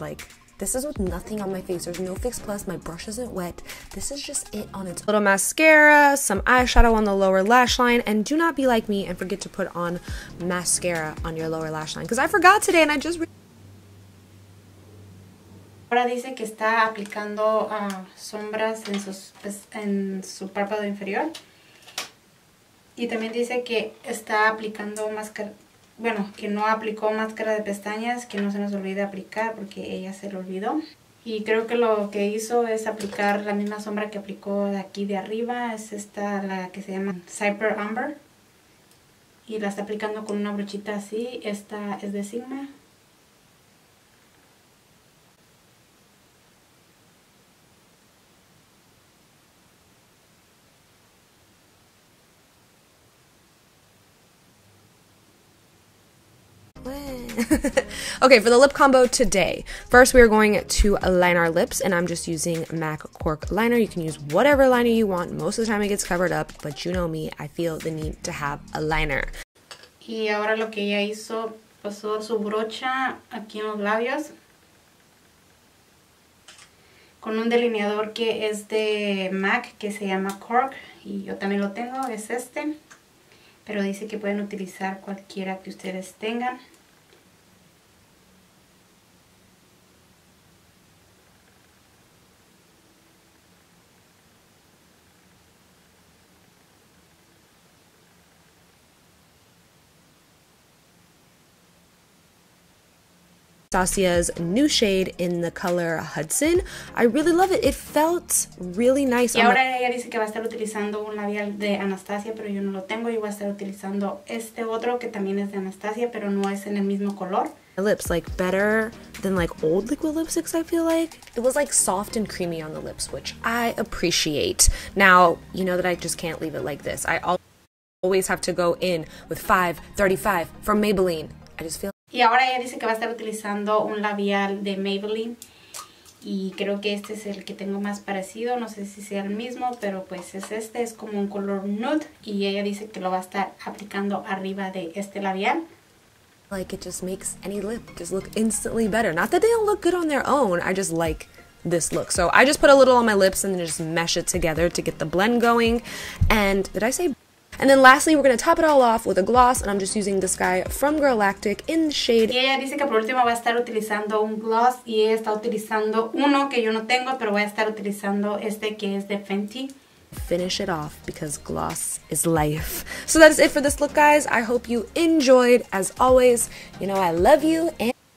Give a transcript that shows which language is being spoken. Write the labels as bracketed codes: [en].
[en] Like, this is with nothing on my face. There's no Fix Plus. My brush isn't wet. This is just it on its own. Little mascara, some eyeshadow on the lower lash line. And do not be like me and forget to put on mascara on your lower lash line. Because I forgot today and I just... [es] Ahora dice que está aplicando sombras en su párpado inferior. Y también dice que está aplicando máscara... Bueno, que no aplicó máscara de pestañas, que no se nos olvide aplicar porque ella se lo olvidó. Y creo que lo que hizo es aplicar la misma sombra que aplicó de aquí de arriba. Es esta, la que se llama Cyper Amber. Y la está aplicando con una brochita así. Esta es de Sigma. [en] Okay, for the lip combo today, first we are going to line our lips, and I'm just using MAC Cork liner. You can use whatever liner you want. Most of the time it gets covered up, but you know me, I feel the need to have a liner. [es] Y ahora lo que ella hizo, pasó su brocha aquí en los labios con un delineador que es de MAC, que se llama Cork, y yo también lo tengo, es este, pero dice que pueden utilizar cualquiera que ustedes tengan. [en] Anastasia's new shade in the color Hudson. I really love it. It felt really nice. [es] Y ahora ella dice que va a estar utilizando un labial de Anastasia, pero yo no lo tengo. Yo voy a estar utilizando este otro que también es de Anastasia, pero no es en el mismo color. [en] My lips, like, better than, like, old liquid lipsticks, I feel like. It was, like, soft and creamy on the lips, which I appreciate. Now, you know that I just can't leave it like this. I always have to go in with 535 from Maybelline. I just feel... [es] Y ahora ella dice que va a estar utilizando un labial de Maybelline. Y creo que este es el que tengo más parecido. No sé si sea el mismo, pero pues es este. Es como un color nude. Y ella dice que lo va a estar aplicando arriba de este labial. [en] Like, it just makes any lip just look instantly better. Not that they don't look good on their own. I just like this look. So I just put a little on my lips and then just mesh it together to get the blend going. And did I say... And then lastly, we're going to top it all off with a gloss, and I'm just using this guy from Girlactic in the shade. [es] Y ella dice que por último va a estar utilizando un gloss, y ella está utilizando uno que yo no tengo, pero voy a estar utilizando este que es de Fenty. [en] Finish it off, because gloss is life. So that is it for this look, guys. I hope you enjoyed. As always, you know I love you, and...